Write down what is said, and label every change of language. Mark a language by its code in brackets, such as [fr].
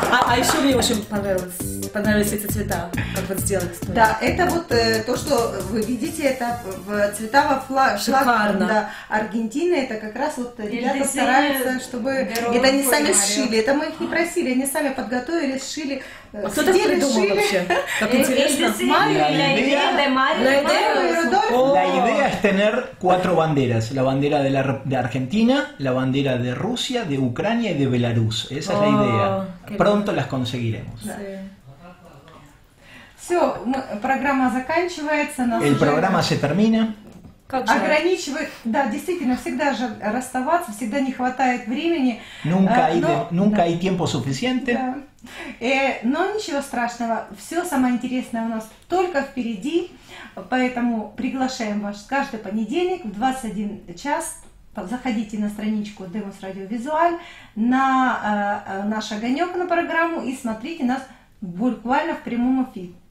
[ru] А еще мне очень понравились эти цвета, как вот сделать. Стоит. Да, это вот то, что вы видите, это цвета во флаг да, Аргентины, это как раз вот и ребята стараются, чтобы... Это они сами сшили, это мы их не просили, они сами подготовили, сшили. А кто так придумал вообще? Как интересно. [es] La idea es tener cuatro banderas. La bandera de Argentina, la bandera de Rusia, de Ucrania y de Belarus. Esa es la idea. Pronto las conseguiremos. [ru] Все, программа заканчивается. [es] El programa se termina. [ru] Как же? Ограничивает, да, действительно, всегда же расставаться, всегда не хватает времени. [es] Nunca hay tiempo suficiente. [ru] Да. Но ничего страшного, все самое интересное у нас только впереди, поэтому приглашаем вас каждый понедельник в 21 час. Заходите на страничку Demos Radio Visual, на наш огонек, на программу, и смотрите нас буквально в прямом эфире.